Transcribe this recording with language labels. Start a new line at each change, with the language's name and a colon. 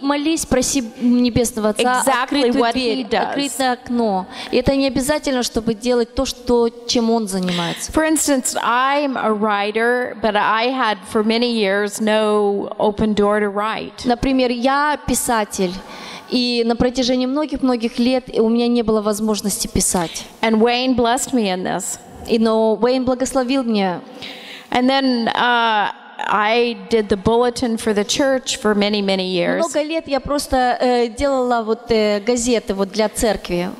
Russian: молись, проси небесного Отца
English: exactly what he does.
Russian: Открытое окно. И это не обязательно, чтобы делать то, что чем он занимается.
English: For instance, I'm a writer, but I had for many years no open door to write.
Russian: Например, я писатель, и на протяжении многих-многих лет у меня не было возможности писать.
English: And Wayne blessed me in this.
Russian: И но Уэйн благословил меня.
English: And then I did the bulletin for the church for many, many years.
Russian: Много лет я просто делала вот газеты вот для церкви.